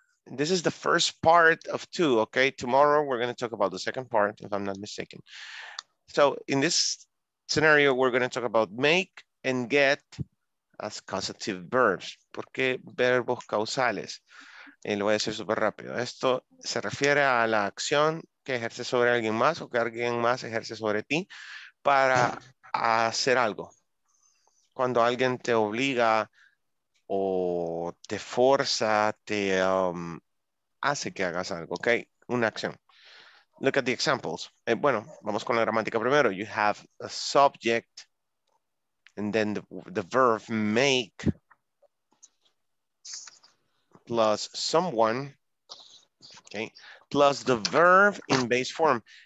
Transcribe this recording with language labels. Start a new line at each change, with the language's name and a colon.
English: This is the first part of two, okay? Tomorrow we're gonna talk about the second part, if I'm not mistaken. So in this scenario, we're gonna talk about make and get as causative verbs.
Spanish: ¿Por qué verbos causales? Y lo voy a decir súper rápido. Esto se refiere a la acción que ejerce sobre alguien más o que alguien más ejerce sobre ti para hacer algo. Cuando alguien te obliga o te forza, te hace que hagas algo, ¿ok? Una acción.
English: Look at the examples.
Spanish: Bueno, vamos con la gramática primero.
English: You have a subject, and then the verb make plus someone, okay, plus the verb in base form.